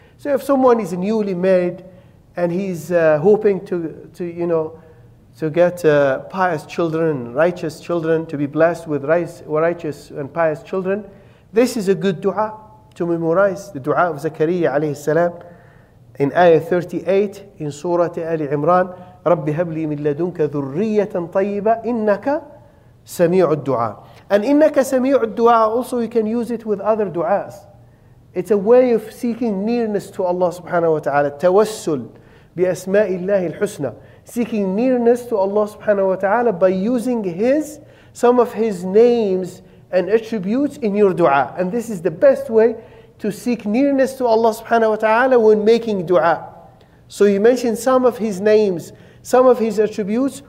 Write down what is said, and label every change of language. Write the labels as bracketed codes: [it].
[en] So if someone is newly married and he's hoping to get pious children, righteous children, to be blessed with righteous and pious children, this is a good dua to memorize, the dua of Zakariya alayhi salam in ayah 38 in Surah Ali Imran. [ar] رَبِّ هَبْ لِي مِنْ لَدُنْكَ ذُرِّيَّةً طَيِّبَةً إِنَّكَ سَمِيعُ الدُّعَى. [en] And [ar] إِنَّكَ سَمِيعُ الدُّعَى, [en] also you can use it with other duas. It's a way of seeking nearness to Allah subhanahu wa ta'ala. [ar] التوسل بأسماء الله الحسنى. [en] Seeking nearness to Allah subhanahu wa ta'ala by using some of his names and attributes in your dua. And this is the best way to seek nearness to Allah subhanahu wa ta'ala when making dua. So you mention some of his names, some of his attributes.